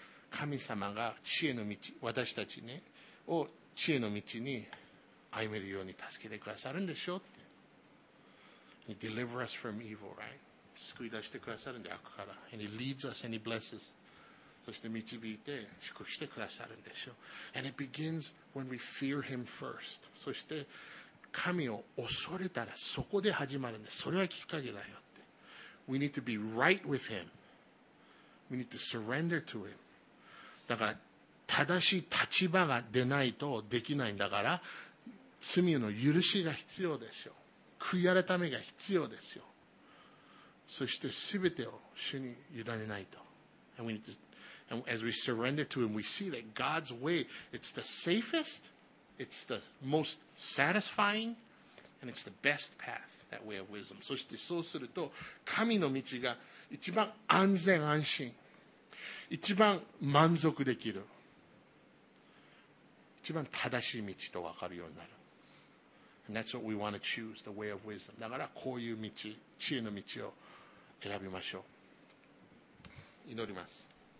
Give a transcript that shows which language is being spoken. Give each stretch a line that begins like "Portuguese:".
Japanese: 神様が知恵の道、私たちね、を知恵の道に歩めるように助けてくださるんでしょうって。
English: He delivers us from evil, right?
Japanese: 救い出してくださるんで悪から。
English: And he leads us and he blesses.
Japanese: そして導いて祝福してくださるんでしょう。
English: And it begins when we fear him first.
Japanese: そして神を恐れたらそこで始まるんです。それはきっかけだよって。
English: We need to be right with him. We need to surrender to him.
Japanese: だから正しい立場が出ないとできないんだから、罪の許しが必要ですよ。悔い改めが必要ですよ。そして全てを主に委ねないと。
English: And we need to, and as we surrender to him, we see that God's way, it's the safest. It's the most satisfying and it's the best path, that way of wisdom.
Japanese: そしてそうすると神の道が一番安全安心、一番満足できる、一番正しい道と分かるようになる。
English: And that's what we want to choose, the way of wisdom.
Japanese: だからこういう道、知恵の道を選びましょう。祈ります。